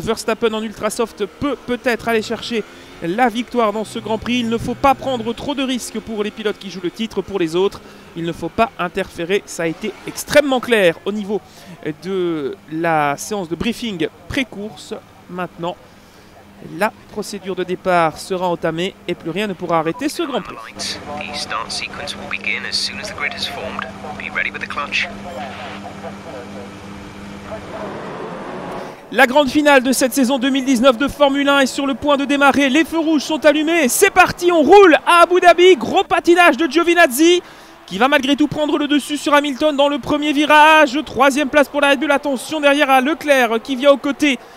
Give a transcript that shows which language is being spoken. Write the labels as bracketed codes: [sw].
[fr] Verstappen en ultra soft peut peut-être aller chercher la victoire dans ce Grand Prix. Il ne faut pas prendre trop de risques pour les pilotes qui jouent le titre. Pour les autres, il ne faut pas interférer. Ça a été extrêmement clair au niveau de la séance de briefing pré-course. Maintenant, la procédure de départ sera entamée et plus rien ne pourra arrêter ce Grand Prix. [en] The start sequence will begin as soon as the grid is formed. Be ready with the clutch. [fr] La grande finale de cette saison 2019 de Formule 1 est sur le point de démarrer. Les feux rouges sont allumés. C'est parti, on roule à Abu Dhabi. Gros patinage de Giovinazzi qui va malgré tout prendre le dessus sur Hamilton dans le premier virage. Troisième place pour la Red Bull. Attention derrière à Leclerc qui vient aux côtés.